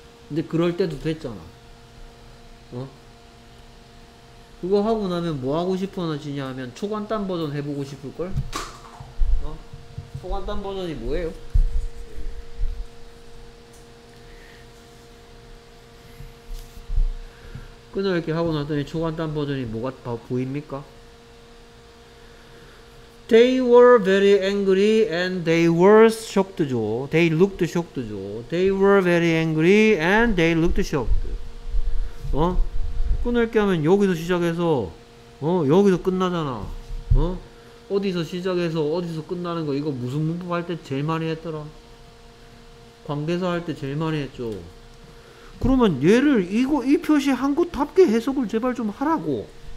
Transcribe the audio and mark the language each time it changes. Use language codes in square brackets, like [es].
[ko] 근데 그럴 때도 됐잖아. 어? 그거 하고 나면 뭐 하고 싶어지냐 하면 초간단 버전 해보고 싶을걸? 어? 초간단 버전이 뭐예요? 끊어 이렇게 하고 나더니 초간단 버전이 뭐가 보입니까? [en] They were very angry and they were shocked죠. They looked shocked죠. They were very angry and they looked shocked. [ko] 어? 끊을게 하면 여기서 시작해서 어? 여기서 끝나잖아. 어? 어디서 시작해서 어디서 끝나는 거 이거 무슨 문법 할 때 제일 많이 했더라. 관계사 할 때 제일 많이 했죠. 그러면 얘를 이거 이 표시 한 곳답게 해석을 제발 좀 하라고.